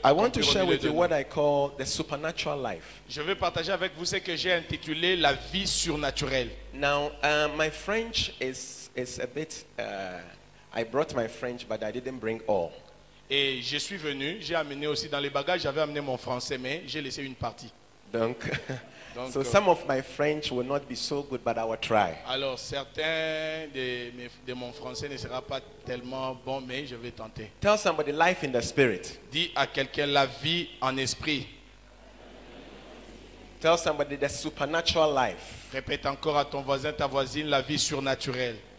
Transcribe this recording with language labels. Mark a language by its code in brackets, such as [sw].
[en] I want to share with you what I call the supernatural life. [fr] Je veux partager avec vous ce que j'ai intitulé la vie surnaturelle. [en] Now, my French is a bit. I brought my French, but I didn't bring all. [fr] Et je suis venu, j'ai amené aussi dans les bagages, j'avais amené mon français, mais j'ai laissé une partie. [en] Donc, so some of my French will not be so good, but I will try. [fr] Alors, certains de mon français ne sera pas tellement bon, mais je vais tenter. [en] Tell somebody life in the spirit. [fr] Dis à quelqu'un la vie en esprit. [en] Tell somebody the supernatural life. [fr] Répète encore à ton voisin, ta voisine, la vie surnaturelle.